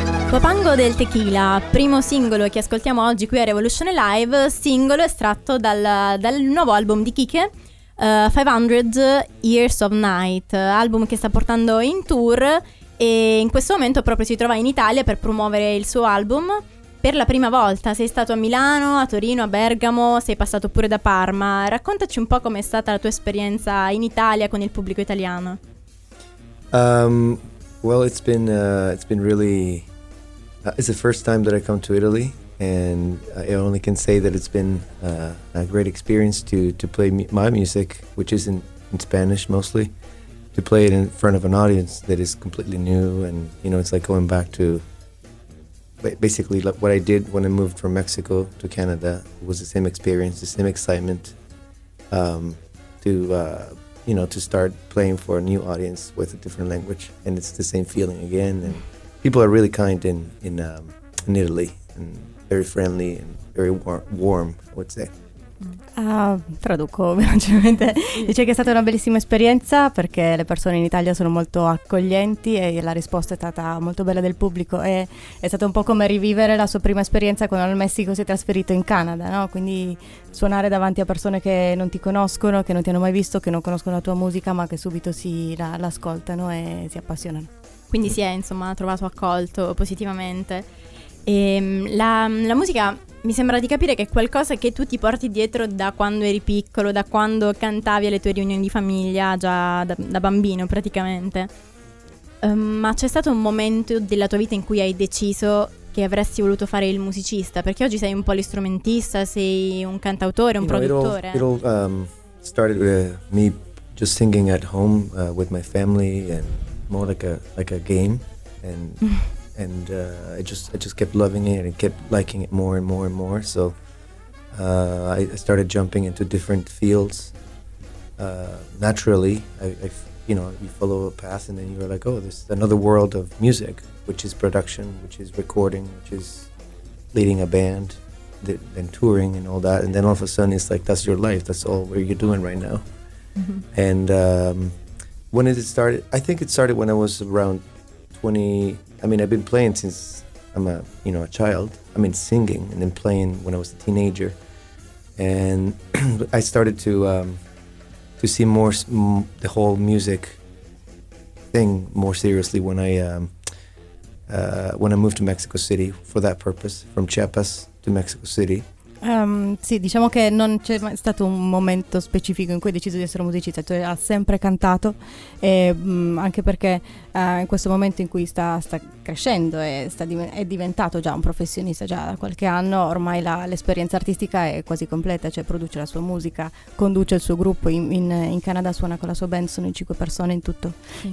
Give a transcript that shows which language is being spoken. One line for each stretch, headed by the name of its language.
Italian: Copango del Tequila, primo singolo che ascoltiamo oggi qui a Revolution Live, singolo estratto dal nuovo album di Kike, 500 Years of Night, album che sta portando in tour e in questo momento proprio si trova in Italia per promuovere il suo album. Per la prima volta sei stato a Milano, a Torino, a Bergamo, sei passato pure da Parma. Raccontaci un po' com'è stata la tua esperienza in Italia con il pubblico italiano.
English: Well, it's been really it's the first time that I come to Italy, and I only can say that it's been a great experience to play my music, which is in Spanish mostly, to play it in front of an audience that is completely new, and you know, it's like going back to basically what I did when I moved from Mexico to Canada. Was the same experience, the same excitement, you know, to start playing for a new audience with a different language, and it's the same feeling again. And people are really kind in Italy, and very friendly and very warm, I would say.
Italian: Traduco velocemente. Dice che è stata una bellissima esperienza perché le persone in Italia sono molto accoglienti e la risposta è stata molto bella del pubblico. E è stato un po' come rivivere la sua prima esperienza quando al Messico si è trasferito in Canada, no? Quindi suonare davanti a persone che non ti conoscono, che non ti hanno mai visto, che non conoscono la tua musica, ma che subito l'ascoltano e si appassionano. Quindi si è insomma trovato accolto positivamente. E la musica mi sembra di capire che è qualcosa che tu ti porti dietro da quando eri piccolo, da quando cantavi alle tue riunioni di famiglia, già da bambino praticamente. Ma c'è stato un momento della tua vita in cui hai deciso che avresti voluto fare il musicista? Perché oggi sei un po' l'istrumentista, sei un cantautore, un produttore.
English: Started with me just singing at home with my family, and more like a game, and I just kept loving it and kept liking it more and more and more. So I started jumping into different fields. Naturally, you follow a path and then you're like, oh, this is another world of music, which is production, which is recording, which is leading a band, then touring and all that. And then all of a sudden it's like, that's your life. That's all where you're doing right now. Mm-hmm. And when did it start? I think it started when I was around 20. I mean, I've been playing since I'm a child. I mean, singing and then playing when I was a teenager. And I started to see more the whole music thing more seriously when I moved to Mexico City for that purpose, from Chiapas to Mexico City.
Italian: Sì, diciamo che non c'è mai stato un momento specifico in cui hai deciso di essere musicista, cioè ha sempre cantato, e, anche perché in questo momento in cui sta crescendo e è diventato già un professionista già da qualche anno, ormai l'esperienza artistica è quasi completa, cioè produce la sua musica, conduce il suo gruppo in Canada, suona con la sua band, sono in 5 persone in tutto. Mm.